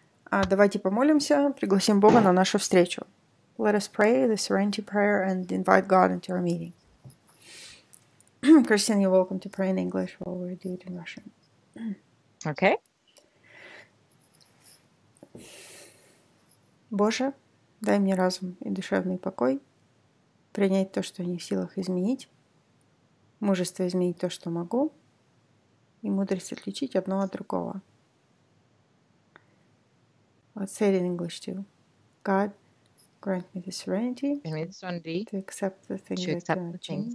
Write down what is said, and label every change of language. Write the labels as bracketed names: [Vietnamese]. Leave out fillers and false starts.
[Russian] Давайте помолимся, пригласим Бога на нашу встречу. [English] Let us pray the serenity prayer and invite God into our meeting. Kristin, you're welcome to pray in English while we do it in Russian. Okay. [Russian] Боже, дай мне разум и душевный покой принять то, что не в силах изменить, мужество изменить то, что могу, и мудрость отличить одно от другого. [English] Let's say it in English too. God, grant me the serenity to accept the things,